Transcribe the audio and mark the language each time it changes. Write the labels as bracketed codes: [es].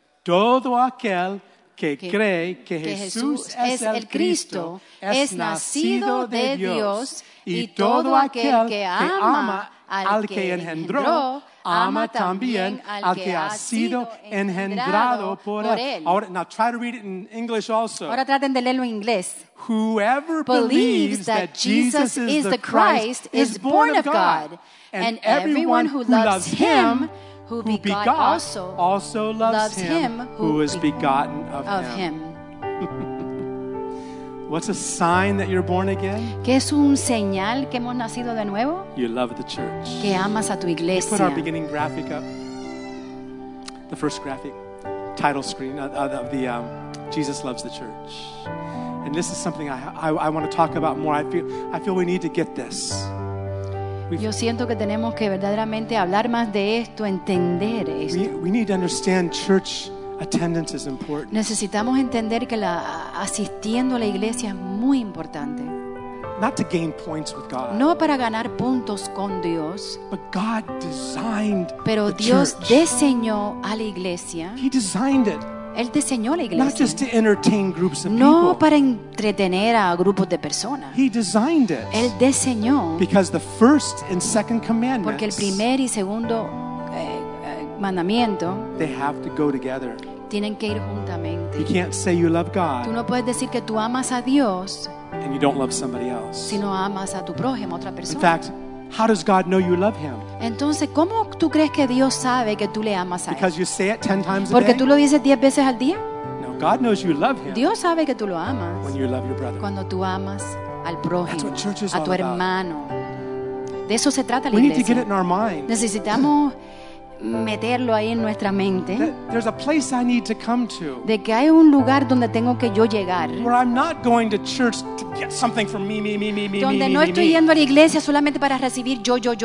[es] Todo aquel que cree que Jesús es el Cristo es nacido de Dios y todo aquel que ama al que engendró ama también al que ha sido engendrado por él. Ahora, [en] now try to read it in English also. [es] Ahora traten de leerlo en inglés. [en] Whoever believes that Jesus is the Christ is born of God, and everyone who loves him who begot also loves him who is begotten of him. What's a sign that you're born again? [es] ¿Qué es un señal que hemos nacido de nuevo? [en] You love the church. [es] Que amas a tu iglesia. [en] Put our beginning graphic up. The first graphic, title screen of the Jesus loves the church. And this is something I want to talk about more. I feel we need to get this. [es] Yo siento que tenemos que verdaderamente hablar más de esto, entender esto. [en] We need to understand church. Attendance is important. [es] Necesitamos entender que la asistiendo a la iglesia es muy importante. [en] Not to gain points with God. [es] No para ganar puntos con Dios. [en] But God designed [es] pero [en] the [es] Dios [en] church. [es] Diseñó a la iglesia. [en] He designed it. [es] Él diseñó la iglesia. [en] Not just to entertain groups of people. [es] No para entretener a grupos de personas. [en] He designed it. [es] Él diseñó. [en] Because the first and second commandments. [es] Porque el primer y segundo mandamiento. [en] They have to go together. [es] Tienen que ir juntamente. [en] You can't say you love God. [es] Tú no puedes decir que tú amas a Dios. [en] And you don't love somebody else. [es] Si no amas a tu prójimo, otra persona. [en] In fact, how does God know you love him? [es] Entonces, ¿cómo tú crees que Dios sabe que tú le amas a él? [en] Because you say it 10 times a day. [es] Porque tú lo dices 10 veces al día. [en] No, God knows you love him. [es] Dios sabe que tú lo amas. [en] When you love your brother. [es] Cuando tú amas al prójimo. [en] That's what church is [es] a tu hermano. De eso se trata la iglesia. [en] We need to get it in our mind. [es] Necesitamos meterlo ahí en nuestra mente. [en] There's a place I need to come to. [es] De que hay un lugar donde tengo que yo llegar. [en] Where I'm not going to church to get something from me. [es] Donde me, no me, estoy me. Yendo a la iglesia solamente para recibir yo.